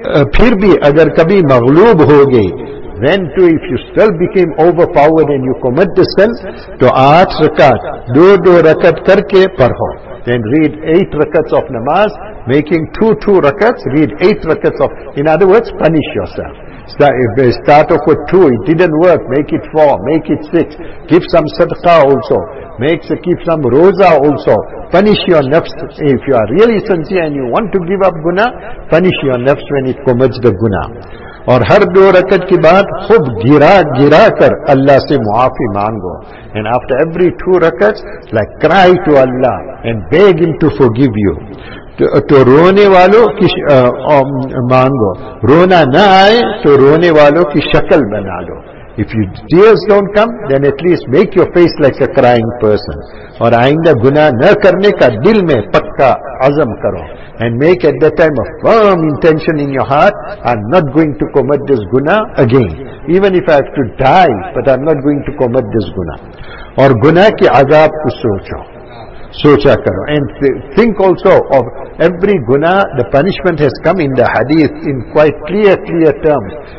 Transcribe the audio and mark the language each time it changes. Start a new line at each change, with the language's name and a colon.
Urdu: Phir bhi agar kabhi maghloob hogi,
English: then too if you still became overpowered and you commit the sin,
Urdu: to 8 rakat, do rakat karke parho,
English: then read 8 rakats of namaz, making 2 rakats, read 8 rakats of, in other words, punish yourself. Start off with 2, it didn't work, make it 4, make it 6, give some sadaqah also, keep some roza also, punish your nafs. If you are really sincere and you want to give up guna, punish your nafs when it commits the guna.
Urdu: اور ہر دو رکعت کے بعد خوب گرا گرا کر اللہ سے معافی مانگو.
English: And after every 2 رکعت like cry to Allah and beg him to forgive you.
Urdu: تو رونے والوں کی مانگو, رونا نہ آئے تو رونے والوں کی شکل بنا لو.
English: If you tears don't come, then at least make your face like a crying person.
Urdu: اور آئندہ گناہ نہ کرنے کا دل میں پکا عزم کرو.
English: And make at that time a firm intention in your heart, I'm not going to commit this guna again. Even if I have to die, but I'm not going to commit this guna.
Urdu: اور گناہ کی عذاب کو سوچو. سوچا کرو.
English: And think also of every guna, the punishment has come in the hadith in quite clear terms.